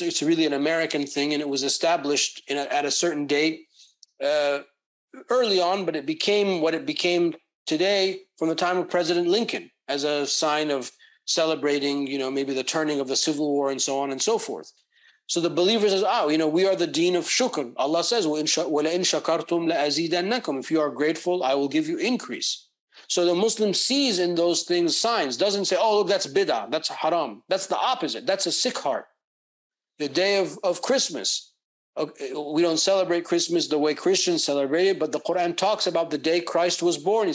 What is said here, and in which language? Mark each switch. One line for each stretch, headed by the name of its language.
English: It's really an American thing, and it was established at a certain date early on, but it became what it became today from the time of President Lincoln as a sign of celebrating, you know, maybe the turning of the civil war and so on and so forth. So the believer says, we are the deen of shukr. Allah says,
Arabic: وَلَئِن شَكَرْتُمْ لَأَزِيدَنَّكُمْ.
English: If you are grateful, I will give you increase. So the Muslim sees in those things signs, doesn't say, oh, look, that's bid'ah, that's haram. That's the opposite. That's a sick heart. The day of Christmas. Okay, we don't celebrate Christmas the way Christians celebrate it, but the Quran talks about the day Christ was born.